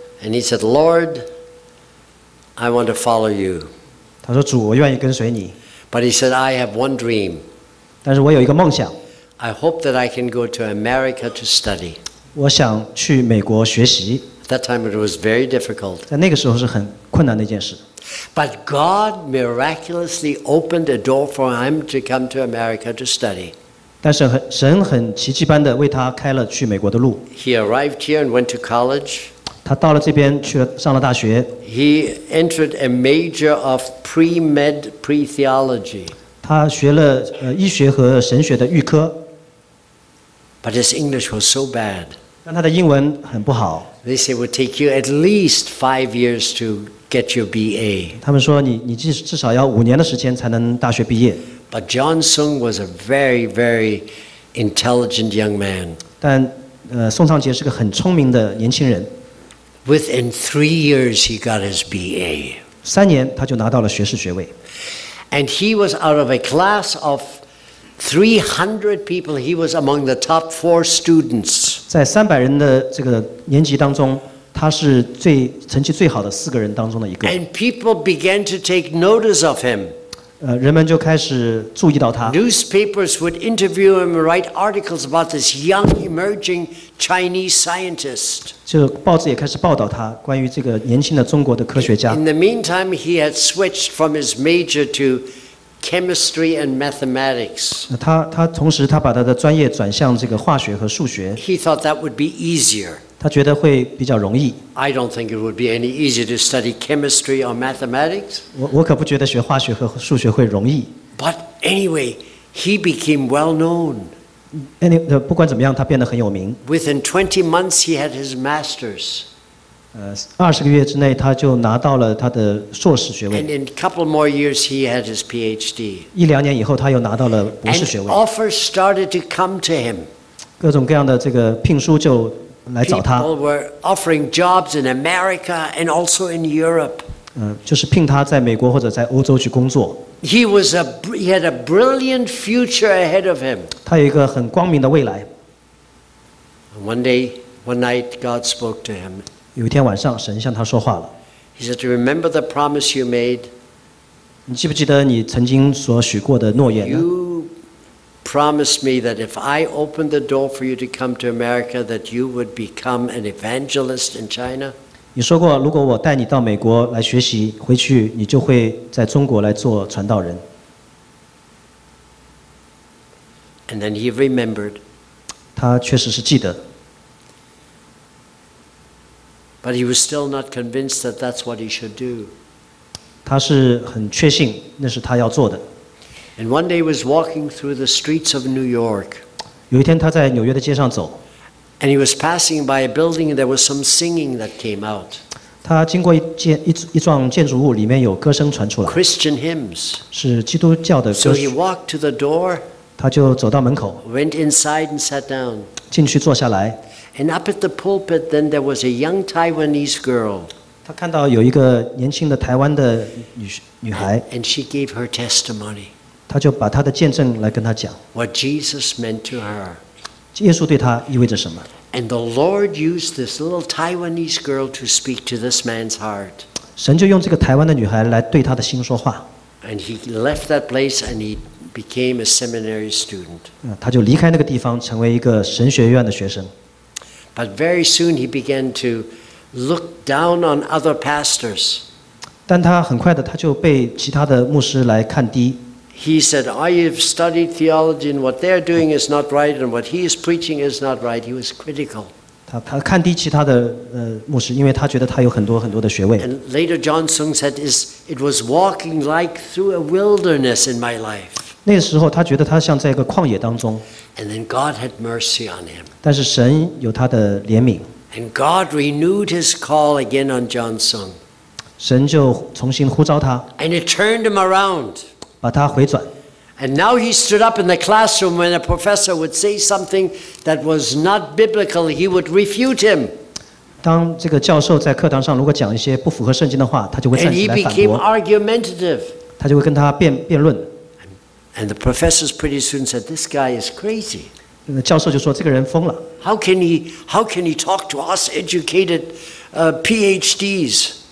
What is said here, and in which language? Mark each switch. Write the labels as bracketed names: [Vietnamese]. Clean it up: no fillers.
[English] And he said, "Lord, I want to follow you." [Chinese] 他说：“主，我愿意跟随你。 [English] ”But he said, "I have one dream." [Chinese] 但是我有一个梦想。 [English] I hope that I can go to America to study. [Chinese] 我想去美国学习。 [English] At that time it was very difficult. [Chinese] 在那个时候是很困难的一件事。 [English] But God miraculously opened a door for him to come to America to study. [Chinese] 但是神很奇迹般的为他开了去美国的路。 [English] He arrived here and went to college. [Chinese] 他到了这边去了上了大学。 [English] He entered a major of pre-med pre-theology. [Chinese] 他学了医学和神学的预科 [English] ，But his English was so bad. [Chinese] 但他的英文很不好。 [English] They say it would take you at least 5 years to get your BA. [Chinese] 他们说你至少要5年的时间才能大学毕业。 [English] But John Sung was a very very intelligent young man. [Chinese] 但宋尚杰是个很聪明的年轻人。 [English] Within 3 years, he got his BA. [Chinese] 3年他就拿到了学士学位。 [English] And he was out of a class of 300 people. He was among the top 4 students. [Chinese] 在300人的这个年级当中，他是成绩最好的4个人当中的一个。 [English] And people began to take notice of him. [Chinese] 人们就开始注意到他。 [English] Newspapers would interview him, write articles about this young emerging Chinese scientist. [Chinese] 就报纸也开始报道他，关于这个年轻的中国的科学家。 [English] In the meantime, he had switched from his major to chemistry and mathematics. [Chinese] 他同时他把他的专业转向这个化学和数学。 [English] He thought that would be easier. [Chinese] 他觉得会比较容易。 [English] I don't think it would be any easier to study chemistry or mathematics. [Chinese] 我可不觉得学化学和数学会容易。 [English] But anyway, he became well known. [Chinese] 不管怎么样，他变得很有名。 [English] Within 20 months, he had his master's. [Chinese] 20个月之内，他就拿到了他的硕士学位。 [English] And in a couple more years, he had his PhD. [Chinese] 一两年以后，他又拿到了博士学位。 [English] And offers started to come to him. [Chinese] 各种各样的这个聘书就来找他。 [English] People were offering jobs in America and also in Europe. [Chinese] 就是聘他在美国或者在欧洲去工作。 [English] He had a brilliant future ahead of him. [Chinese] 他有一个很光明的未来。 [English] One night, God spoke to him. [Chinese] 有一天晚上，神向他说话了。 [English] He said, "Remember the promise you made." [Chinese] 你记不记得你曾经所许过的诺言呢 [English] ？You promised me that if I opened the door for you to come to America, that you would become an evangelist in China. [Chinese] 你说过，如果我带你到美国来学习，回去你就会在中国来做传道人。 [English] And then he remembered. [Chinese] 他确实是记得。 [English] But he was still not convinced that that's what he should do. [Chinese] 他是很确信那是他要做的。 [English] And one day he was walking through the streets of New York. [Chinese] 有一天他在纽约的街上走。 [English] And he was passing by a building and there was some singing that came out. [Chinese] 他经过一幢建筑物里面有歌声传出来。 [English] Christian hymns. [Chinese] 是基督教的歌声。 [English] So he walked to the door. [Chinese] 他就走到门口。 [English] Went inside and sat down. [Chinese] 进去坐下来。 [English] And up at the pulpit, then there was a young Taiwanese girl. [Chinese] 她看到有一个年轻的台湾的女孩。 [English] And she gave her testimony. [Chinese] 她就把她的见证来跟她讲。 [English] What Jesus meant to her. [Chinese] 耶稣对她意味着什么。 [English] And the Lord used this little Taiwanese girl to speak to this man's heart. [Chinese] 神就用这个台湾的女孩来对她的心说话。 [English] And he left that place and he became a seminary student. [Chinese] 她就离开那个地方成为一个神学院的学生。 [English] But very soon he began to look down on other pastors. [Chinese] 但他很快的他就被其他的牧师来看低。 [English] He said, "I have studied theology, and what they're doing is not right, and what he is preaching is not right." He was critical. [Chinese] 他看低其他的牧师，因为他觉得他有很多很多的学位。 [English] And later, John Sung said, "It was walking like through a wilderness in my life." [Chinese] 那时候他觉得他像在一个旷野当中。 [English] And then God had mercy on him. [Chinese] 但是神有他的怜悯。 [English] And God renewed his call again on John Sung. [Chinese] 神就重新呼召他。 [English] And it turned him around. [Chinese] 把他回转。 [English] And now he stood up in the classroom when a professor would say something that was not biblical, he would refute him. [Chinese] 当这个教授在课堂上如果讲一些不符合圣经的话，他就会站起来反驳。 [English] And he became argumentative. [Chinese] 他就会跟他辩论。 [English] And the professors pretty soon said, "This guy is crazy." [Chinese] 教授就说这个人疯了。 [English] How can he talk to us educated, PhDs?